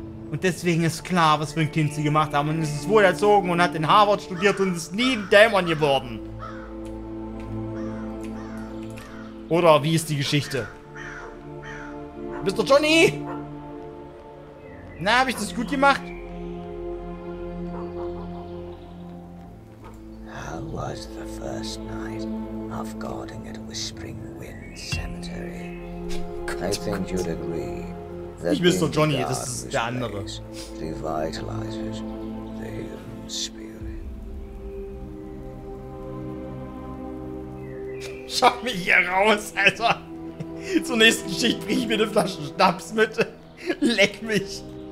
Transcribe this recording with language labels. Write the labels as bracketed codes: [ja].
[de] Und deswegen ist klar, was für ein Kind sie gemacht haben. Und es ist wohl erzogen und hat in Harvard studiert und ist nie ein Dämon geworden. Oder wie ist die Geschichte? Mr. Johnny? Na, habe ich das gut gemacht? [en] How was the first night of guarding at Whispering Wind Cemetery? I think you'd agree that [de] nicht [en] Mr. [de] Johnny, das ist der andere. [en] Revitalizes the human spirit. [de] Schau mich hier raus, Alter. Zur nächsten Schicht bringe ich mir eine Flasche Schnaps mit. Leck mich.